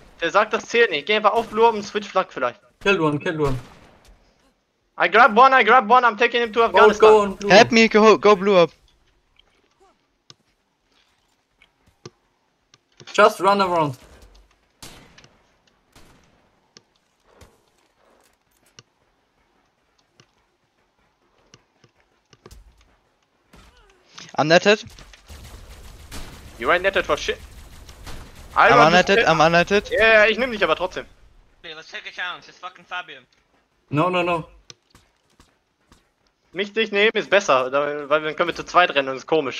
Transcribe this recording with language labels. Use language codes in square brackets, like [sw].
[de] Der sagt, das zählt nicht. Geh einfach auf Blue up und switch Flag vielleicht. [en] Killed one. I grab one, I'm taking him to Afghanistan. Go on, help me, go Blue up. Just run around. Unnetted. You ain't netted for shit. I'm unnetted. [de] Yeah, ich nehm dich aber trotzdem. [en] Hey, let's take a chance, it's fucking Fabian. No. [de] Nicht dich nehmen ist besser, weil dann können wir zu zweit rennen und ist komisch.